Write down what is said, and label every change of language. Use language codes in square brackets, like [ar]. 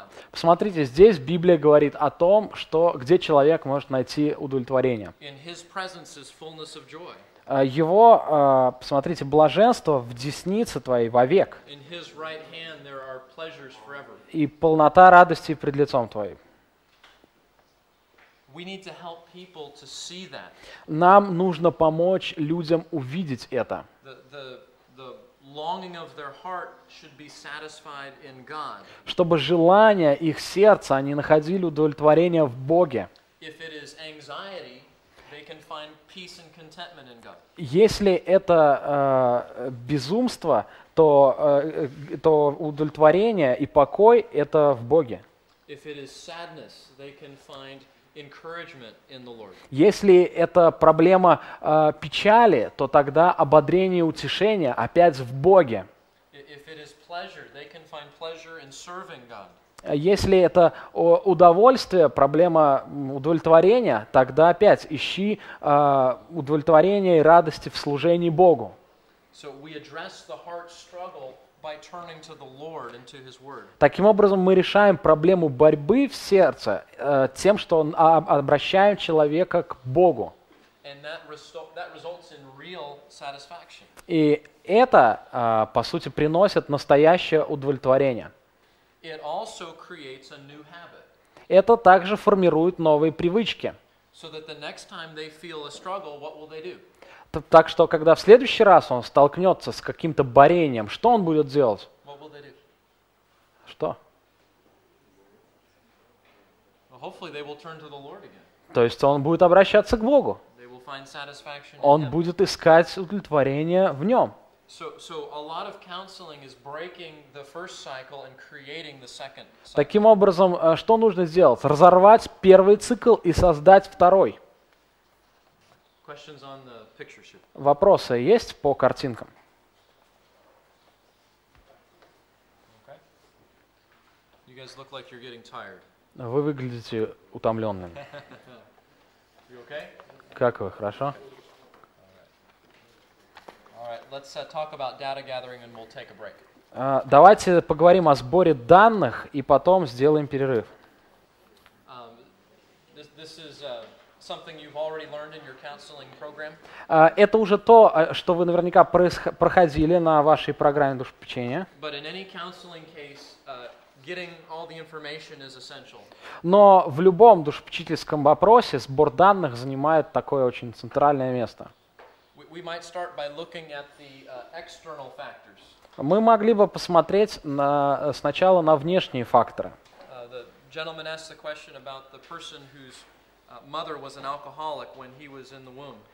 [ru] Посмотрите, здесь Библия говорит о том, что где человек может найти удовлетворение. [en] In his presence is fullness of joy. [ru] Его, посмотрите, блаженство в деснице Твоей вовек. [en] In his right hand there are pleasures forever. [ru] И полнота радости пред лицом Твоим. [en] We need to help people to see that. [ru] Нам нужно помочь людям увидеть это. [en] The longing of their heart should be satisfied in God. [ru] Чтобы желания их сердца, они находили удовлетворение в Боге. [en] If it is anxiety, they can find peace and contentment in God. [ru] Если это безумство, то удовлетворение и покой — это в Боге. [en] If it is sadness, they can find encouragement in the Lord. [ru] Если это проблема печали, то тогда ободрение, утешение опять в Боге. [en] If it is pleasure, they can find pleasure in serving God. [ru] Если это удовольствие, проблема удовлетворения, тогда опять ищи удовлетворение и радости в служении Богу. [en] So we address the heart struggle by turning to the Lord and to His Word. [ru] Таким образом, мы решаем проблему борьбы в сердце тем, что обращаем человека к Богу. [en] And that results in real satisfaction. [ru] И это, по сути, приносит настоящее удовлетворение. [en] It also creates a new habit. [ru] Это также формирует новые привычки. [en] So that the next time they feel a struggle, what will they do? [ru] Так что, когда в следующий раз он столкнется с каким-то борением, что он будет делать? [en] What will they do? [ru] Что? [en] Well, hopefully they will turn to the Lord again. [ru] То есть он будет обращаться к Богу. [en] They will find satisfaction in Him. [ru] Он будет искать удовлетворение в Нем. [en] So a lot of counseling is breaking the first cycle and creating the second cycle. [ru] Таким образом, что нужно сделать? Разорвать первый цикл и создать второй. [en] Questions on the picture sheet. [ru] Вопросы есть по картинкам? [en] Okay. You guys look like you're getting tired. [ru] Вы выглядите утомленными. [en] You okay? [ru] Как вы? Хорошо? [en] Let's talk about data gathering and we'll take a break. [ru] Давайте поговорим о сборе данных и потом сделаем перерыв. [en] This is something you've already learned in your counseling program. [ru] Это уже то, что вы наверняка проходили на вашей программе душепопечения. [en] But in any counseling case, getting all the information is essential. [ru] Но в любом душепопечительском вопросе сбор данных занимает такое очень центральное место. [en] We might start by looking at the external factors. [ru] Мы могли бы посмотреть сначала на внешние факторы. [en] The gentleman asked the question about the person whose mother was an alcoholic when he was in the womb.